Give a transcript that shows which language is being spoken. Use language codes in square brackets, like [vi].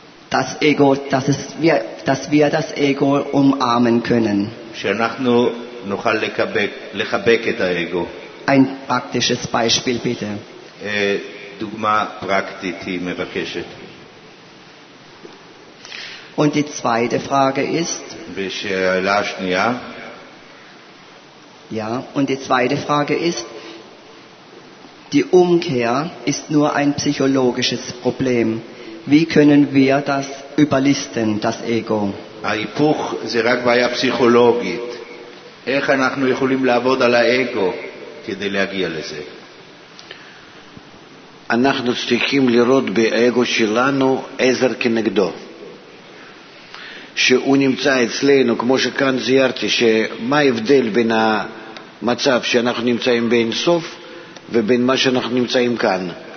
[de] Das Ego, dass wir das Ego umarmen können. [he] שאנחנו נוכל לחבק את האגו. [de] Ein praktisches Beispiel bitte. [he] דוגמה פרקטית היא מבקשת. [de] Und die zweite Frage ist die Umkehr ist nur ein psychologisches Problem. Wie können wir das überlisten, das Ego? [he] ההיפוך זה רק בעיה פסיכולוגית. איך אנחנו יכולים לעבוד על האגו כדי להגיע לזה? אנחנו צריכים לראות באגו שלנו עזר כנגדו, שהוא נמצא אצלנו, כמו שכאן זיירתי, שמה ההבדל בין המצב שאנחנו נמצאים בין סוף ובין מה שאנחנו נמצאים כאן?